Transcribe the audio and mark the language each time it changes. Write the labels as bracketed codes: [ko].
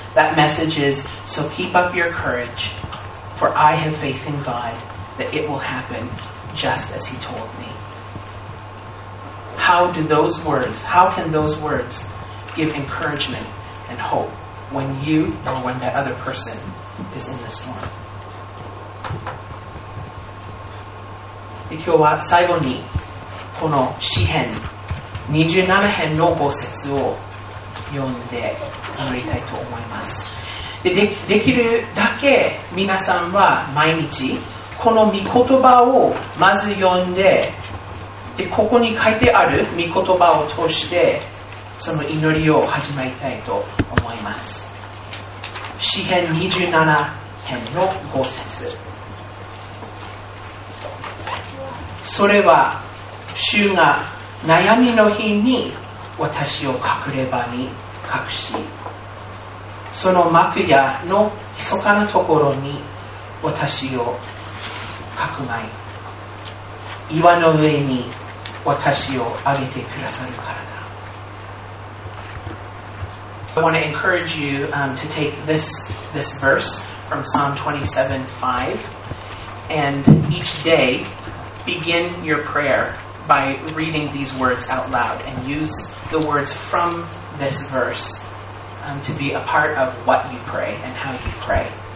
[en] That message is, so keep up your courage, for I have faith in God that it will happen just as He told me. How can those words give encouragement and hope when you or when that other person is in the storm? [ja] 今日は最後にこの詩編27編の5節を読んで終わりたいと思います。できるだけ皆さんは毎日この御言葉をまず読ん でここに書いてある御言葉を通してその祈りを始めたいと思います。詩編27編の5節、それは主が悩みの日に私を隠れ場に隠し、その幕屋の密かなところに私をかくまい、岩の上に私をあげてくださるからだ。 [en] I want to encourage you, to take this verse from Psalm 27:5 and each dayBegin your prayer by reading these words out loud and use the words from this verse, to be a part of what you pray and how you pray.